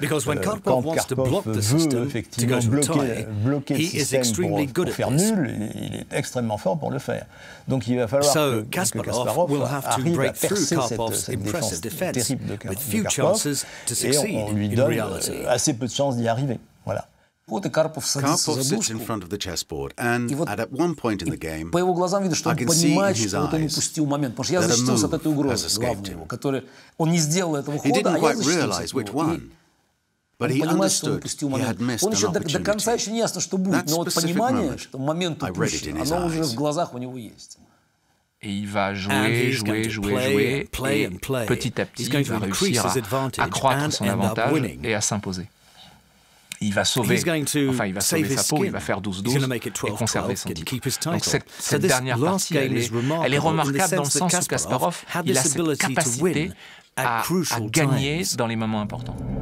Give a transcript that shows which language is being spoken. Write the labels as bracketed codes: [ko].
[en] Because when Karpov wants to block the system to go to a tie, he is extremely good at this. [fr] Donc il va falloir [en] so, Kasparov will have to break through Karpov's impressive defense with few chances to succeed in reality. [fr] Assez peu de chances d'y arriver. Voilà. [en] Karpov sits in front of the chessboard, and at one point in the game, [ru] по его глазам видно, что он понимает, что вот он упустил момент, потому что я защитился от этой угрозы, главной его, который он не сделал этого хода, а я защитился от него. [en] But he understood he had missed an opportunity. [ru] До конца еще не ясно, что будет, но вот понимание, что момент упущен, оно уже в глазах у него есть. [fr] Et il va jouer, jouer, petit à petit, il va réussir à accroître son avantage et à s'imposer. Il va sauver, enfin, il va sauver sa peau, il va faire 12-12 et conserver son titre. Donc cette dernière partie, elle est remarquable dans le sens où Kasparov, il a cette capacité à gagner dans les moments importants.